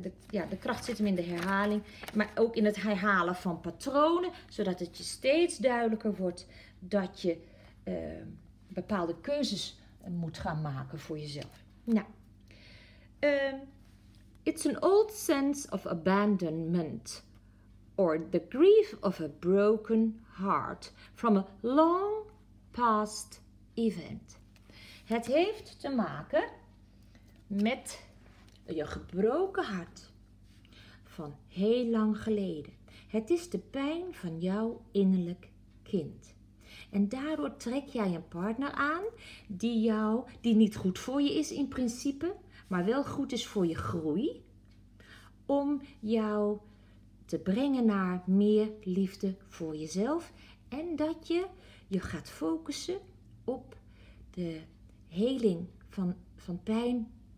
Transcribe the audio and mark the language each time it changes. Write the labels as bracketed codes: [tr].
[nl] De kracht zit hem in de herhaling, maar ook in het herhalen van patronen, zodat het je steeds duidelijker wordt dat je bepaalde keuzes moet gaan maken voor jezelf. [en] Nou, it's an old sense of abandonment or the grief of a broken heart from a long past event. [nl] Het heeft te maken met je gebroken hart van heel lang geleden. Het is de pijn van jouw innerlijk kind. En daardoor trek jij een partner aan die niet goed voor je is in principe, maar wel goed is voor je groei, om jou te brengen naar meer liefde voor jezelf en dat je gaat focussen op de heling van pijn.